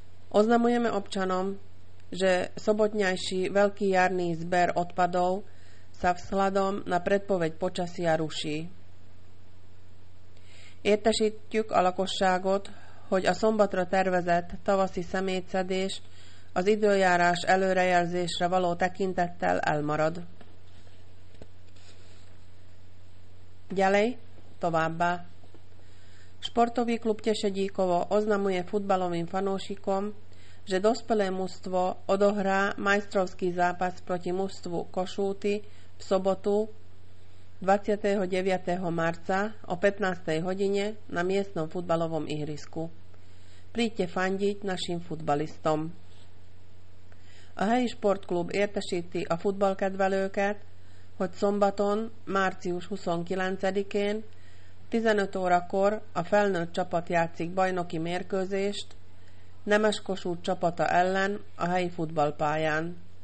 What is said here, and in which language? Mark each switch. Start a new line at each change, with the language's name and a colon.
Slovak: Oznamujeme občanom, že sobotňajší veľký jarný zber odpadov sa vzhľadom na predpoveď počasia ruší.
Hungarian: Értesítjük a lakosságot, hogy a szombatra tervezett tavaszi szemétszedés az időjárás előrejelzésre való tekintettel elmarad.
Slovak: Ďalej,
Hungarian: továbbá.
Slovak: Sportový klub Tešedíkovo oznamuje futbalovým fanúšikom, že dospelé mužstvo odohrá majstrovský zápas proti mužstvu Košúty v sobotu 29. marca o 15. hodine na miestnom futbalovom ihrisku. Príďte fandiť našim futbalistom.
Hungarian: A helyi sportklub értesíti a futbalkedvelőket, hogy szombaton, március 29-én 15 órakor a felnőtt csapat játszik bajnoki mérkőzést Nemes Kossuth csapata ellen a helyi futballpályán.